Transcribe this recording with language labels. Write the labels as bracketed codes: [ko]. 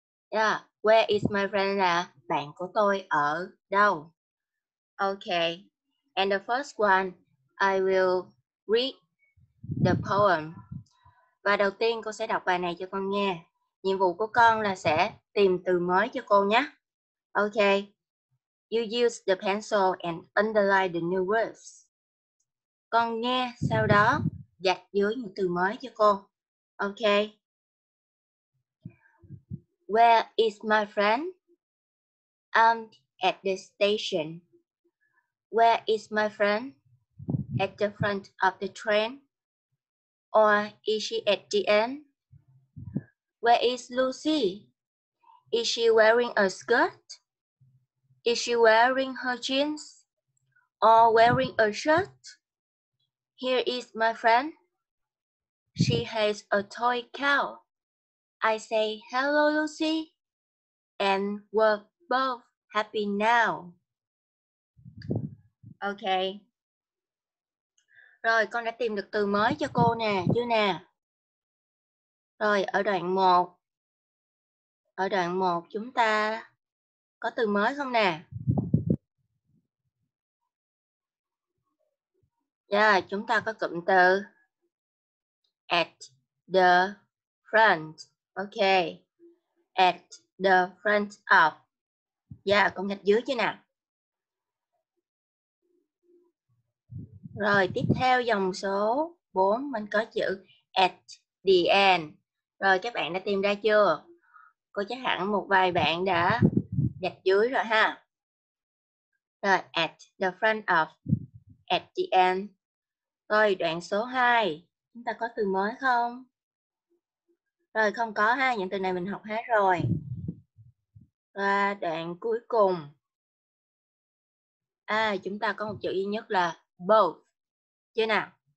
[en] Yeah, where is my friend [vi] là bạn của tôi ở đâu? [en] Okay, and the first one, I will read the poem. [vi] Và đầu tiên cô sẽ đọc bài này cho con nghe. Nhiệm vụ của con là sẽ tìm từ mới cho cô nhé. [en] Okay, you use the pencil and underline the new words. [vi] Con nghe, sau đó gạch dưới một từ mới cho cô. [en] Okay. Where is my friend? I'm at the station. Where is my friend? At the front of the train? Or is she at the end? Where is Lucy? Is she wearing a skirt? Is she wearing her jeans? Or wearing a shirt? Here is my friend. She has a toy cow. I say, hello, Lucy, and we're both happy now. Okay. [vi] Rồi, con đã tìm được từ mới cho cô nè, chưa nè? Rồi, ở đoạn 1. Ở đoạn 1 chúng ta có từ mới không nè? Yeah, chúng ta có cụm từ at the front. [en] Okay, at the front of. [vi] Yeah, con gạch dưới chứ nè. Rồi, tiếp theo dòng số 4, mình có chữ at the end. Rồi, các bạn đã tìm ra chưa? Cô chắc hẳn một vài bạn đã gạch dưới rồi ha. Rồi, at the front of, at the end. Rồi, đoạn số 2, chúng ta có từ mới không? Rồi không có ha, những từ này mình học hết rồi. Và đoạn cuối cùng. À, chúng ta có một chữ duy nhất là both. Chưa nào?